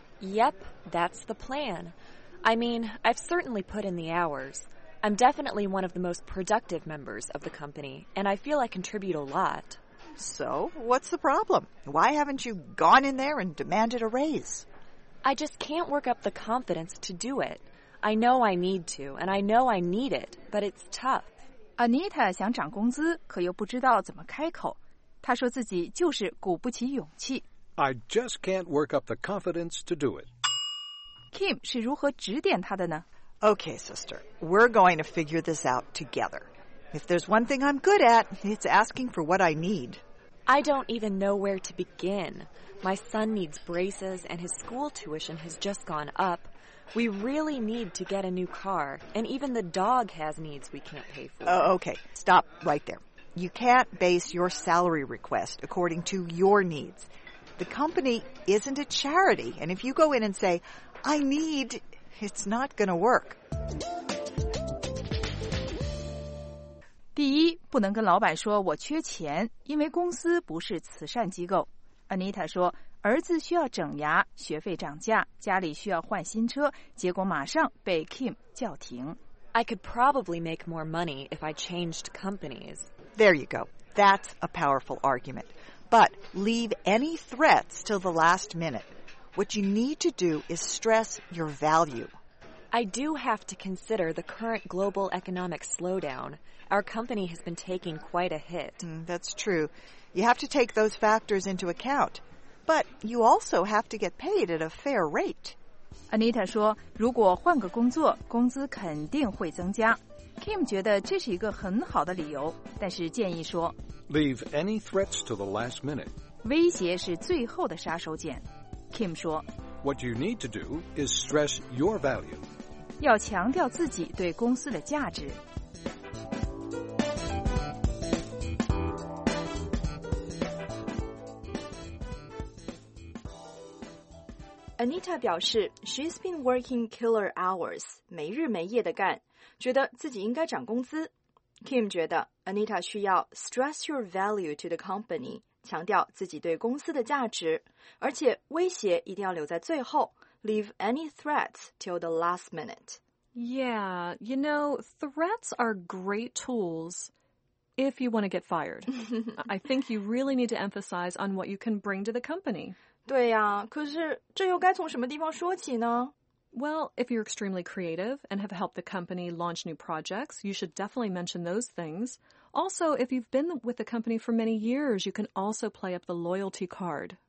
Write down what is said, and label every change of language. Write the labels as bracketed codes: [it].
[en] Yep, that's the plan I mean, I've certainly put in the hours I'm definitely one of the most productive members of the company, and I feel I contribute a lot. So, what's the problem? Why haven't you gone in there and demanded a raise? I just can't work up the confidence to do it. I know I need to, and I know I need it, but it's tough. [zh] Anita 想涨工资，可又不知道怎么开口。她说自己就是鼓不起勇气。 [en] I just can't work up the confidence to do it. [zh] Kim 是如何指点她的呢？ [en] Okay, sister, we're going to figure this out together. If there's one thing I'm good at, it's asking for what I need. I don't even know where to begin. My son needs braces, and his school tuition has just gone up. We really need to get a new car, and even the dog has needs we can't pay for. Okay, stop right there. You can't base your salary request according to your needs. The company isn't a charity, and if you go in and say, I need... It's not gonna work. [zh] 第一，不能跟老板说我缺钱，因为公司不是慈善机构。 Anita 说，儿子需要整牙，学费涨价，家里需要换新车，结果马上被 Kim 叫停。 [en] I could probably make more money if I changed companies. There you go. That's a powerful argument. But leave any threats till the last minute. What you need to do is stress your value. I do have to consider the current global economic slowdown. Our company has been taking quite a hit. That's true. You have to take those factors into account. But you also have to get paid at a fair rate. [zh] Anita 说，如果换个工作，工资肯定会增加。 Kim 觉得这是一个很好的理由，但是建议说 [en] Leave any threats to the last minute. [zh] 威胁是最后的杀手锏。Kim 说 [en] What you need to do is stress your value. [zh] 要强调自己对公司的价值。 Anita 表示 [en] She's been working killer hours, [zh] 没日没夜的干，觉得自己应该涨工资。 [en] Kim [zh] 觉得 [en] Anita [zh] 需要 [en] stress your value to the company. [zh] 强调自己对公司的价值，而且威胁一定要留在最后 ， [en] leave any threats till the last minute. Yeah, you know, threats are great tools if you want to get fired. I think you really need to emphasize on what you can bring to the company. [zh] 对呀，可是这又该从什么地方说起呢？ [en] Well, if you're extremely creative and have helped the company launch new projects, you should definitely mention those things. Also, if you've been with the company for many years, you can also play up the loyalty card.